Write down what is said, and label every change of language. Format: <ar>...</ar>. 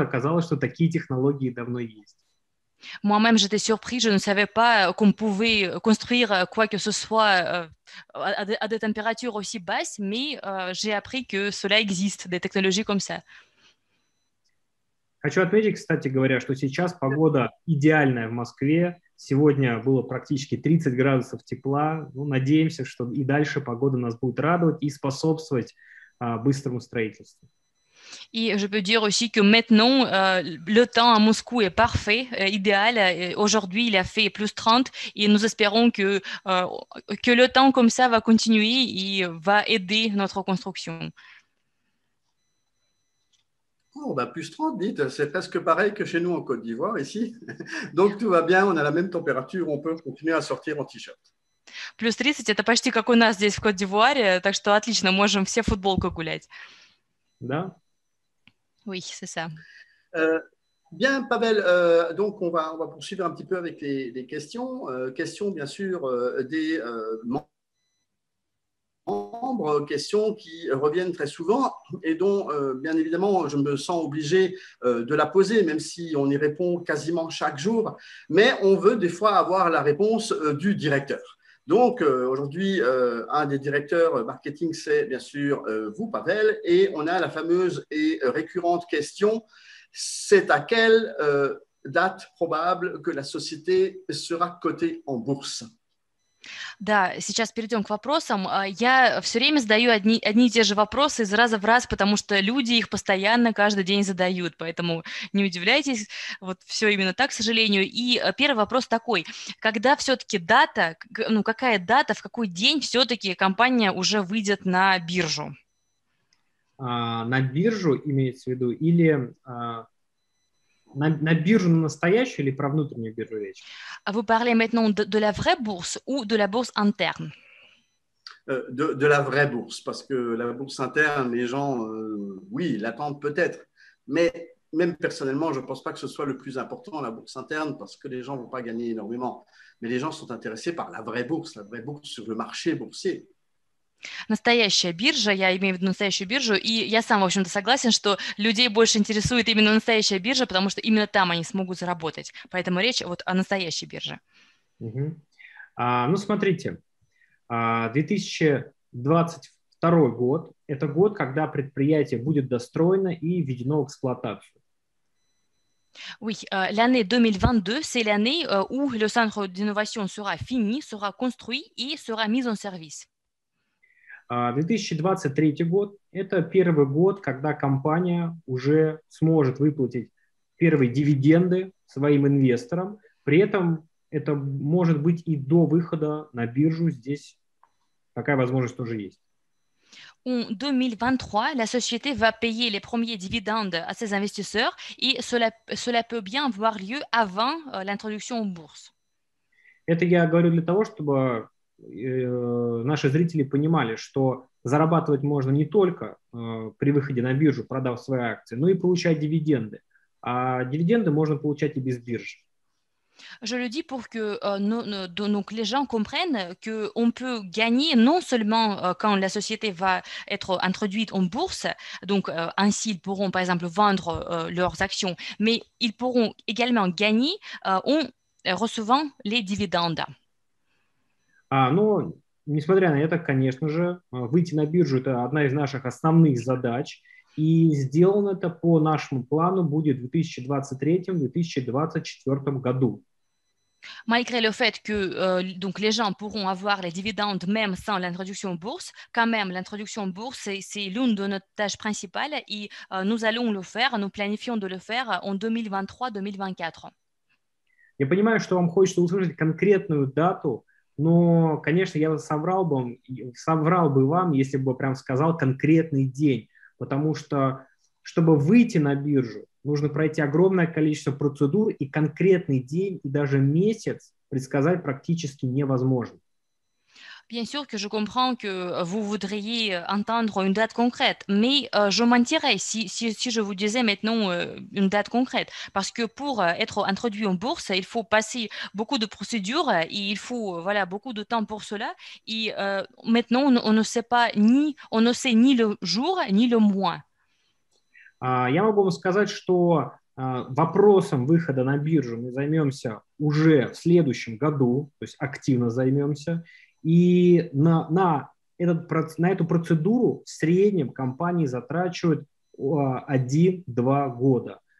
<ru>Оказалось, что такие технологии давно есть.</ru> <fr>Moi-même, j'étais surpris, je ne savais pas qu'on pouvait construire quoi que ce soit à des températures aussi basses, mais j'ai appris que cela existe, des technologies comme ça.</fr> <ru>Хочу отметить, кстати говоря, что сейчас погода идеальная в Москве. Сегодня было практически 30 градусов тепла. Ну, надеемся, что и дальше погода нас будет радовать и способствовать быстрому строительству.</ru> <fr>Et je peux dire aussi que maintenant, le temps à Moscou est parfait, idéal. Aujourd'hui, il a fait plus 30 et nous espérons que le temps comme ça va continuer et va aider notre construction. Oh, bah plus 30, dites, c'est presque pareil que chez nous en Côte d'Ivoire ici. Donc tout va bien, on a la même température, on peut continuer à sortir en t-shirt.</fr> <ru>Plus 30, это почти как у нас здесь в Côte d'Ivoire, так что отлично, можем все футболку гулять. Да.</ru> <fr>Oui, c'est ça. Bien, Pavel, donc on va poursuivre un petit peu avec les questions. Questions, bien sûr, des membres, questions qui reviennent très souvent et dont, bien évidemment, je me sens obligé de la poser, même si on y répond quasiment chaque jour. Mais on veut des fois avoir la réponse du directeur. Donc, aujourd'hui, un des directeurs marketing, c'est bien sûr vous, Pavel, et on a la fameuse et récurrente question, c'est à quelle date probable que la société sera cotée en bourse?</fr> <ru>Да, сейчас перейдем к вопросам. Я все время задаю одни и те же вопросы из раза в раз, потому что люди их постоянно каждый день задают, поэтому не удивляйтесь, вот все именно так, к сожалению. И первый вопрос такой, когда все-таки дата, ну какая дата, в какой день все-таки компания уже выйдет на биржу? На биржу имеется в виду или... На биржу на настоящую или про внутреннюю биржу речь?</ru> <fr>Vous parlez maintenant de la vraie bourse ou de la bourse interne? De la vraie bourse, parce que la bourse interne, les gens, oui, l'attendent peut-être. Mais même personnellement, je ne pense pas que ce soit le plus important, la bourse interne, parce que les gens ne vont pas gagner énormément. Mais les gens sont intéressés par la vraie bourse sur le marché boursier.</fr> <ru>Настоящая биржа, я имею в виду настоящую биржу, и я сам, в общем-то, согласен, что людей больше интересует именно настоящая биржа, потому что именно там они смогут заработать. Поэтому речь вот о настоящей бирже. Угу. Ну, смотрите, 2022 год – это год, когда предприятие будет достроено и введено в эксплуатацию.</ru> <fr>Oui, l'année 2022, c'est l'année où le centre d'innovation sera fini, sera construit et sera mis en service.</fr> <ru>2023 год – это первый год, когда компания уже сможет выплатить первые дивиденды своим инвесторам. При этом это может быть и до выхода на биржу. Здесь такая возможность тоже есть.</ru> <fr>En 2023, la société va payer les premiers dividendes à ses investisseurs et cela peut bien avoir lieu avant l'introduction en bourse.</fr> <ru>Это я говорю для того, чтобы наши зрители понимали, что зарабатывать можно не только при выходе на биржу, продав свои акции, но и получать дивиденды. А дивиденды можно получать и без биржи.</ru> <fr>Je le dis pour que donc les gens comprennent que on peut gagner non seulement quand la société va être introduite en bourse, donc ainsi ils pourront par exemple vendre leurs actions, mais ils pourront également gagner en recevant les dividendes.</fr> <ru>Ну, несмотря на это, конечно же, выйти на биржу – это одна из наших основных задач. И сделано это по нашему плану будет в 2023-2024 году.</ru> <fr>Malgré le fait que donc les gens pourront avoir les dividendes même sans l'introduction en bourse, quand même, l'introduction en bourse, c'est l'une de nos tâches principales et nous allons le faire, nous planifions de le faire en 2023-2024.</fr> <ru>Я понимаю, что вам хочется услышать конкретную дату. Но, конечно, я соврал бы вам, если бы прям сказал конкретный день. Потому что, чтобы выйти на биржу, нужно пройти огромное количество процедур, и конкретный день, и даже месяц предсказать практически невозможно.</ru> <fr>Bien sûr que je comprends que vous voudriez entendre une date concrète, mais je mentirais si je vous disais maintenant une date concrète. Parce que pour être introduit en bourse, il faut passer beaucoup de procédures et il faut voilà, beaucoup de temps pour cela. Et maintenant, on ne sait pas ni, on ne sait ni le jour ni le mois.</fr> <ru>Я могу вам сказать, что вопросом выхода на биржу мы займемся уже в следующем году, то есть активно займемся. И на эту процедуру в среднем компании затрачивают 1-2 года.</ru>